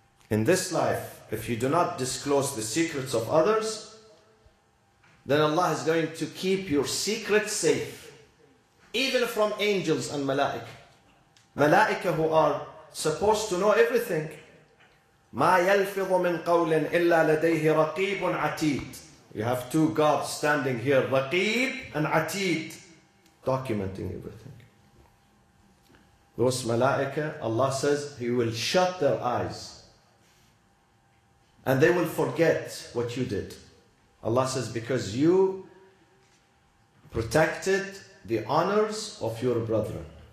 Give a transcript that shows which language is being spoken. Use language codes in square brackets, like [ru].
[en] In this life, if you do not disclose the secrets of others, then Allah is going to keep your secret safe, even from angels and malaika. Malaika who are supposed to know everything, [ar] ما يلفظ من قول إلا لديه رقيب عتيد. [en] You have two gods standing here, رقيب and عتيد, documenting everything. Those ملائكة, Allah says, He will shut their eyes and they will forget what you did. Allah says, because you protected the honors of your brethren.